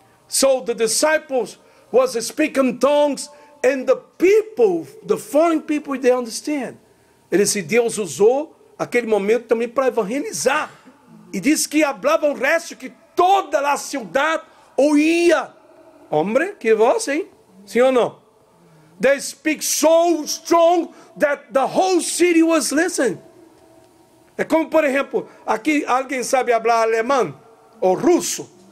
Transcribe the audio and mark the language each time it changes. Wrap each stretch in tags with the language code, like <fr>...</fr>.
<en>So the disciples was speaking tongues and the people, the foreign people, they understand.</en> <pt>Ele disse, Deus usou aquele momento também para evangelizar. E disse que falavam o resto, que toda a cidade ouvia. Hombre, que voz, hein? Sim ou não?</pt> <en>They speak so strong that the whole city was listening.</en> <pt>É como, por exemplo, aqui alguém sabe falar alemão ou russo?</pt>